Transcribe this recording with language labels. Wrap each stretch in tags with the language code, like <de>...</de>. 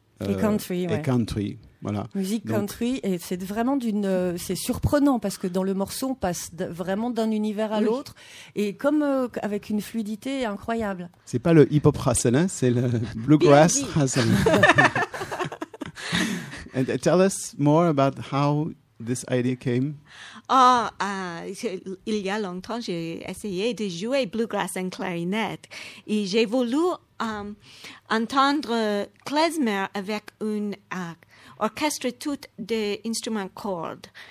<fr>Et country. Voilà. Musique country, et c'est vraiment c'est surprenant parce que dans le morceau, on passe vraiment d'un univers à l'autre, et comme avec une fluidité incroyable. C'est pas le hip-hop rasselin, c'est le bluegrass rasselin.</fr> <en>And tell us more about how this idea came.</en> <fr>Il y a longtemps, j'ai essayé de jouer bluegrass en clarinette, et j'ai voulu entendre klezmer avec un orchestre tout d'instruments cordes.</fr>